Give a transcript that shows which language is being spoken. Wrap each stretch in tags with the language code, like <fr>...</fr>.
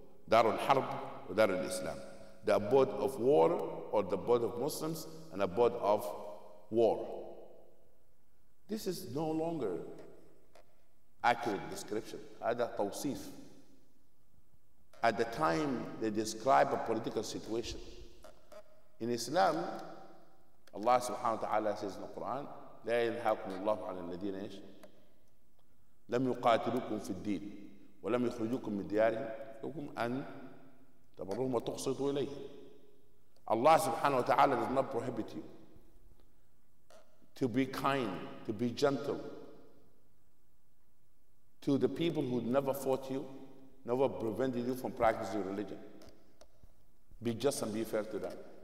<en>Darul Harb or Darul Islam. The abode of war or the abode of Muslims and abode of war. This is no longer accurate description.</en> <ar>Hada tawsif.</ar> <en>At the time, they describe a political situation. In Islam, Allah subhanahu wa ta'ala says in the Quran,</en> <ar>لا ينهاكم الله عن الذين إيش؟ لم يقاتلوكم في الدين ولم يخرجوكم من ديارهم لكم أن تبروهم وتقسطوا إليه. الله سبحانه وتعالى</ar> <en>does not prohibit you to be kind, to be gentle to the people who never fought you, never prevented you from practicing your religion. Be just and be fair to them.</en>